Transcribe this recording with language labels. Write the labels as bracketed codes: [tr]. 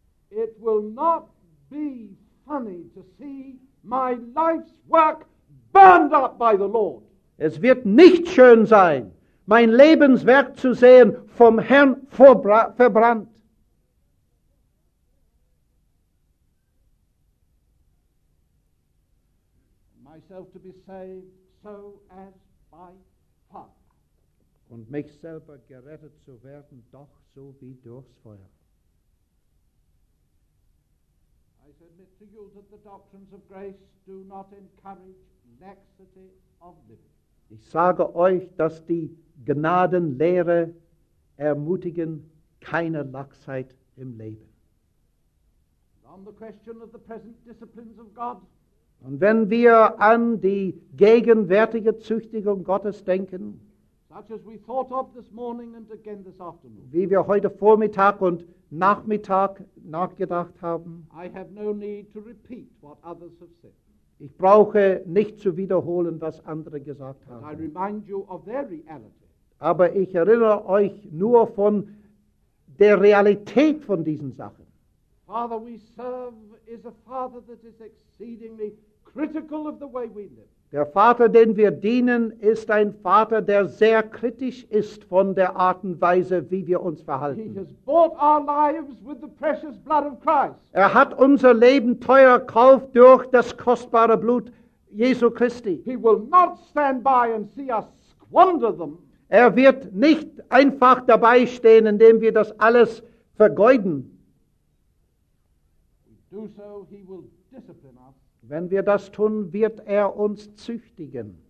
[en] It will not be funny to see my life's work burned up by the Lord. [de] Es wird nicht schön sein, mein Lebenswerk zu sehen, vom Herrn verbrannt. [en] Myself to be saved, so as by fire. [de] Und mich selber gerettet zu werden, doch so wie durchs Feuer. [en] I submit to you that the doctrines of grace do not encourage laxity of living. [de] Ich sage euch, dass die Gnadenlehre ermutigen keine Laxheit im Leben. [en] on the question of the present disciplines of God. [de] Und wenn wir an die gegenwärtige Züchtigung Gottes denken, [en] such as we thought of this morning and again this afternoon, [de] wie wir heute Vormittag und Nachmittag nachgedacht haben, [en] I have no need to repeat what others have said. [de] Ich brauche nicht zu wiederholen, was andere gesagt haben. [en] I remind you of their reality. [de] Aber ich erinnere euch nur von der Realität von diesen Sachen. [en] Father, we serve is a father that is exceedingly critical of the way we live. [de] Der Vater, den wir dienen, ist ein Vater, der sehr kritisch ist von der Art und Weise, wie wir uns verhalten. [en] He has bought our lives with the precious blood of Christ. [de] Er hat unser Leben teuer gekauft durch das kostbare Blut Jesu Christi. [en] He will not stand by and see us squander them. [de] Er wird nicht einfach dabei stehen, indem wir das alles vergeuden. [en] Do so, he will discipline us. [de] Wenn wir das tun, wird er uns züchtigen.